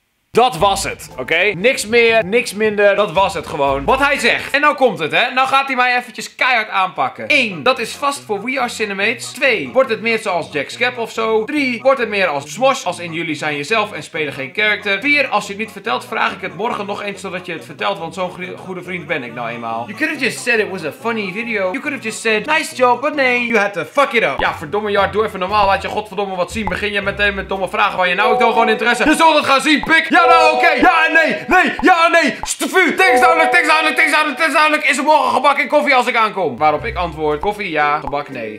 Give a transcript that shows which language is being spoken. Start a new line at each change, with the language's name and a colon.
Dutch: Dat was het, oké? Okay? Niks meer, niks minder, dat was het gewoon. Wat hij zegt. En nou komt het, hè? Nou gaat hij mij eventjes keihard aanpakken. 1. Dat is vast voor We Are Cinemates. 2. Wordt het meer zoals Jack Skep of zo? 3. Wordt het meer als Smosh, als in jullie zijn jezelf en spelen geen character? 4. Als je het niet vertelt, vraag ik het morgen nog eens zodat je het vertelt, want zo'n goede vriend ben ik nou eenmaal.
English: You could have just said it was a funny video. You could have just said, nice job, but
Dutch: nee,
English: you had to fuck it up.
Dutch: Ja, verdomme Jart, doe even normaal, laat je godverdomme wat zien. Begin je meteen met domme vragen waar je nou ook dan gewoon interesse. Je zult het gaan zien, pik! Ja, Oké. Ja, nee, nee, ja, nee. Stufu, tekst duidelijk. Is er morgen gebak en koffie als ik aankom? Waarop ik antwoord, koffie ja, gebak nee.